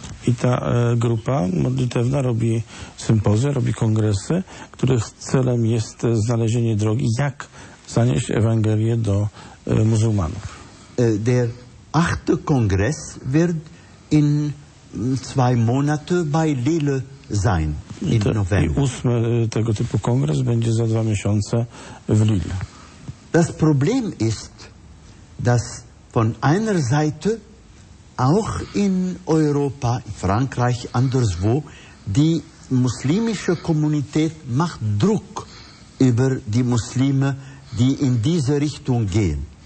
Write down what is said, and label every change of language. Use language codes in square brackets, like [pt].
[pl] I ta grupa modlitewna robi sympozje, robi kongresy, których celem jest znalezienie drogi, jak zanieść Ewangelię do muzułmanów. [de] Der achte Kongress wird in zwei Monate bei Lille sein, in November. [pl] I ósmy tego typu kongres będzie za dwa miesiące w Lille. [de] Das Problem ist, dass von einer Seite auch in Europa, Frankreich, anderswo, die muslimische Kommunität macht Druck über die Muslime, die in diese Richtung gehen.